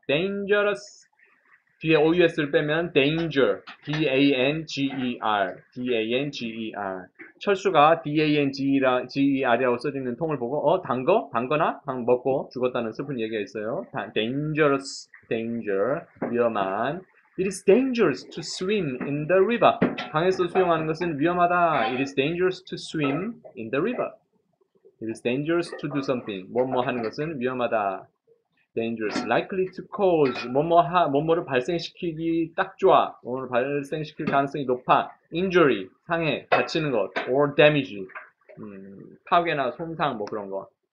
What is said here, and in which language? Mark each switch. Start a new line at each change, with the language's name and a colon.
Korean: Dangerous. 뒤에 OUS를 빼면 danger.
English: D-A-N-G-E-R. D-A-N-G-E-R.
Korean: 철수가 DANGER이라고 써져 있는 통을 보고, 단거? 단거나? 방 먹고 죽었다는 슬픈 얘기가 있어요.
English: Dangerous, danger, 위험한. It is dangerous to swim in the river.
Korean: 강에서 수영하는 것은 위험하다.
English: It is dangerous to swim in the river. It is dangerous to do something.
Korean: 뭐뭐 하는 것은 위험하다.
English: Dangerous, likely to cause.
Korean: 뭐뭐를 발생시키기 딱 좋아. 뭐뭐를 발생시킬 가능성이 높아. Injury, 상해, 다치는 것, or damage, 파괴나 손상, 뭐 그런 거.